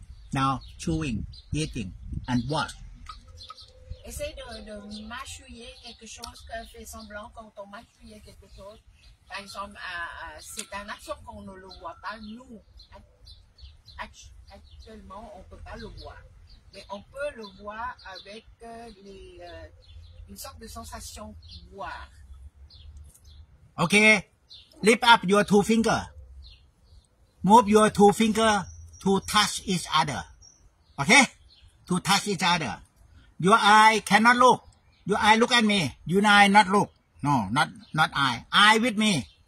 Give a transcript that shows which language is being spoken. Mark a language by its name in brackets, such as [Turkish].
[English] Now chewing, eating, and watch. [French] Essaye de mâchouiller quelque chose que fait semblant quand on mâchouille quelque chose. Par exemple, c'est une action qu'on ne le voit pas. Nous, actuellement, on peut pas le voir, mais on peut le voir avec les. Une sorte de sensation voir. [English] Okay, lift up your two finger. Move your two finger to touch each other. Okay, to touch each other. Your eye cannot look. Your eye look at me. You and I not look. No, not I. I with me.